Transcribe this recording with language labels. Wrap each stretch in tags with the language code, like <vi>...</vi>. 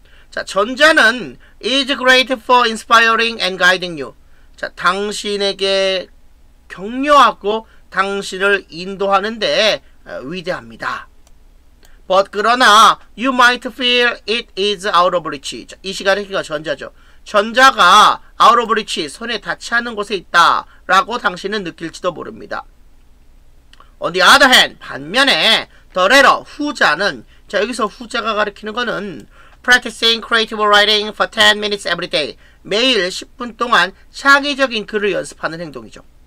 <ko>자, 전자는</ko> <en>is great for inspiring and guiding you.</en> <ko>자, 당신에게 격려하고 당신을 인도하는 데 위대합니다.</ko> <en>But</en> <ko>그러나</ko> <en>you might feel it is out of reach.</en> <ko>자, 이 시간의 힘이 전자죠. 전자가</ko> <en>out of reach,</en> <ko>손에 닿지 않는 곳에 있다라고 당신은 느낄지도 모릅니다.</ko> <en>On the other hand,</en> <ko>반면에</ko> <en>the letter,</en> <ko>후자는, 자, 여기서 후자가 가리키는 거는</ko> <en>practicing creative writing for 10 minutes every day,</en> <ko>매일 10분 동안 창의적인 글을 연습하는 행동이죠.</ko>